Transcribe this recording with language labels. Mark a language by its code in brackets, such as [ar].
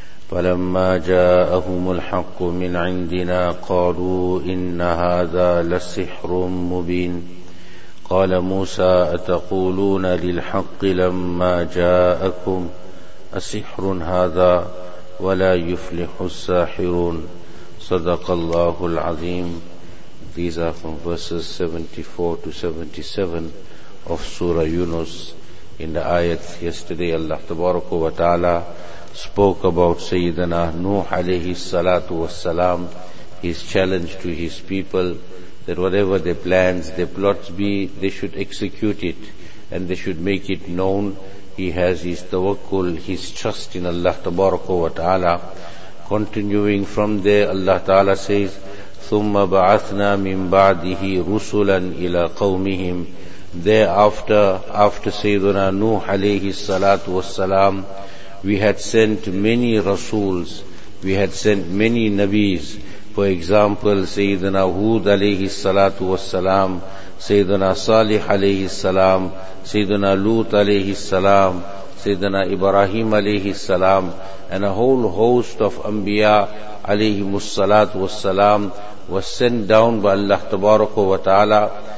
[ar] فلما جاءهم الحق من عندنا قالوا إن هذا لسحر مبين. قال موسى أتقولون للحق لما جاءكم أسحر هذا ولا يفلح الساحرون. صدق الله العظيم. [en] These are from verses 74 to 77 of Surah Yunus. In the ayat yesterday, Allah Tabaraka wa Ta'ala spoke about Sayyidina Nuh alayhi salatu wa salam, his challenge to his people that whatever their plans, their plots be, they should execute it and they should make it known. He has his tawakkul, his trust in Allah Tabaraka wa Ta'ala. Continuing from there, Allah Ta'ala says, [ar] ثُمَّ بَعَثْنَا مِنْ بَعْدِهِ رُسُلًا إِلَىٰ قَوْمِهِمْ. [en] Thereafter, after Sayyidina Nuh alayhi salatu wassalam, we had sent many rasuls, we had sent many nabis. For example, Sayyidina Hud alayhi salatu wassalam, Sayyidina Salih alayhi salam, Sayyidina Lut alayhi salam, Sayyidina Ibrahim alayhi salam, and a whole host of Anbiya alayhi musallatu wassalam was sent down by Allah tabaraka wa ta'ala.